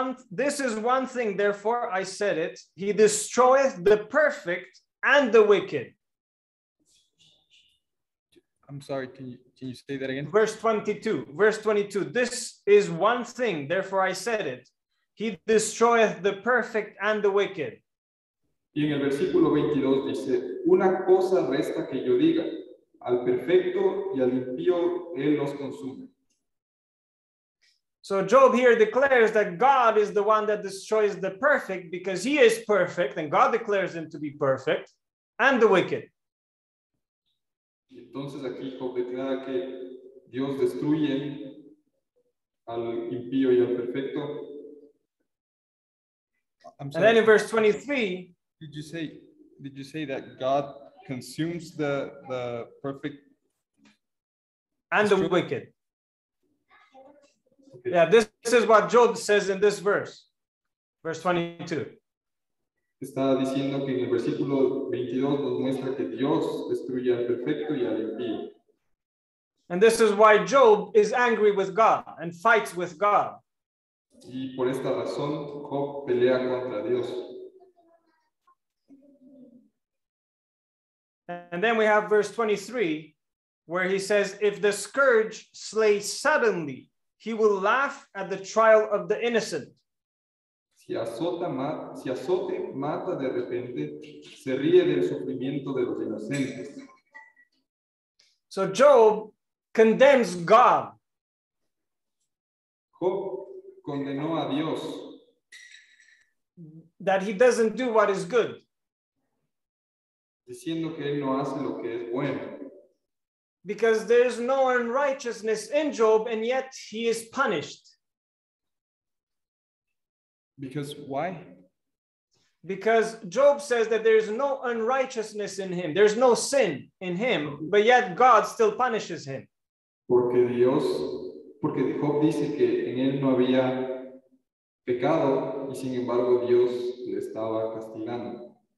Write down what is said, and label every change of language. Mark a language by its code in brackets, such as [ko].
[en] This is one thing, therefore I said it. He destroyeth the perfect and the wicked. I'm sorry, can you say that again? Verse 22. This is one thing, therefore I said it. He destroyeth the perfect and the wicked. [es] Y en el versículo 22 dice, una cosa resta que yo diga, al perfecto y al impío él los consume. [en] So Job here declares that God is the one that destroys the perfect because he is perfect and God declares him to be perfect and the wicked. [es] Y entonces aquí Job declara que Dios destruye al impío y al perfecto. [en] And then in verse 23, Did you say that God consumes the perfect and the wicked? Okay. Yeah, this is what Job says in this verse, verse 22. [es] Está diciendo que en el versículo 22 nos muestra que Dios destruye al perfecto y al impío. [en] And this is why Job is angry with God and fights with God. [es] Y por esta razón Job pelea contra Dios. [en] And then we have verse 23, where he says, if the scourge slay suddenly, he will laugh at the trial of the innocent. [es] Si azote mata de repente, se ríe del sufrimiento de los inocentes. [en] So Job condemns God. [es] Job condenó a Dios. [en] That he doesn't do what is good. [es] Diciendo que él no hace lo que es bueno. [en] Because there is no unrighteousness in Job, and yet he is punished. Because why? Because Job says that there is no unrighteousness in him. There's no sin in him, but yet God still punishes him. [es] Porque Job dice que en él no había pecado, y sin embargo Dios le estaba castigando.